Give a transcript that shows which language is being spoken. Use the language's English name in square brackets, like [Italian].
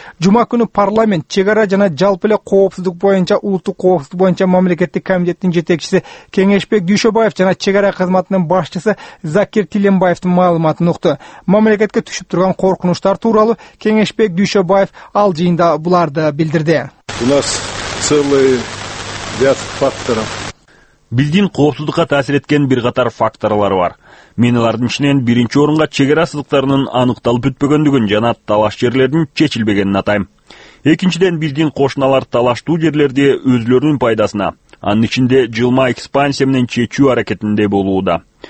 [Kyrgyz] Жума күнү парламент чек ара жана жалпы эле коопсуздук боюнча улуттук коопсуздук боюнча мамлекеттик комитеттин жетекчиси Кеңешбек Дүйшөбаев жана чек ара кызматынын башчысы Закир Тилембаевдин маалыматын укту. Мамлекетке түшүп турган коркунучтар тууралуу Кеңешбек Дүйшөбаев ал жыйында буларды билдирди. [Russian] У нас целый ряд факторов. [Kyrgyz] Билдин коопсуздукка таасир эткен бир катар факторлор бар. Мен алардын ичинен биринчи орунга чек ара сызыктарынын аныкталып бүтпөгөндүгүн жана талаш жерлердин чечилбегенин атайм. Экинчиден, биздин кошуналар талаштуу жерлерде өзлөрүнүн пайдасына, анын ичинде жылма экспансия менен чечүү аракетинде болууда.